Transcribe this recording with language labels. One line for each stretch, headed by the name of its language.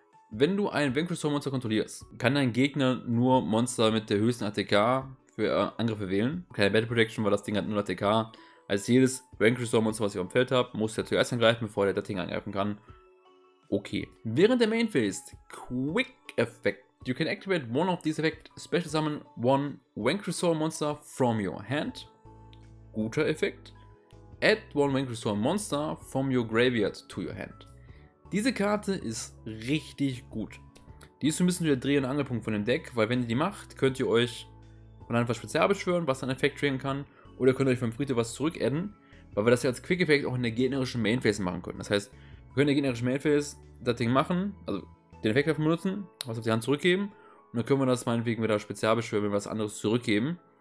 German: Wenn du ein Vanquish-Storm-Monster kontrollierst, kann dein Gegner nur Monster mit der höchsten ATK für Angriffe wählen. Keine Battle Protection, weil das Ding hat nur ATK. Also jedes Vanquish-Storm-Monster, was ich auf dem Feld habe, muss er zuerst angreifen, bevor er das Ding angreifen kann. Okay. Während der Main Phase, Quick Effect.
English: You can activate one of these effects. Special Summon one Vanquish-Storm-Monster from your hand.
German: Guter Effekt.
English: Add one Vanquisher Monster from your graveyard to your hand.
German: Diese Karte ist richtig gut. Die ist so ein bisschen der Dreh- und Angelpunkt von dem Deck, weil wenn ihr die macht, könnt ihr euch von einem Spezial beschwören, was einen Effekt triggern kann, oder könnt ihr euch vom Friedhof was zurückadden, weil wir das ja als Quick-Effekt auch in der generischen Mainphase machen können. Das heißt, wir können in der generischen Mainphase das Ding machen, also den Effekt davon benutzen, was auf die Hand zurückgeben, und dann können wir das meinetwegen wieder Spezial beschwören, wenn wir was anderes zurückgeben.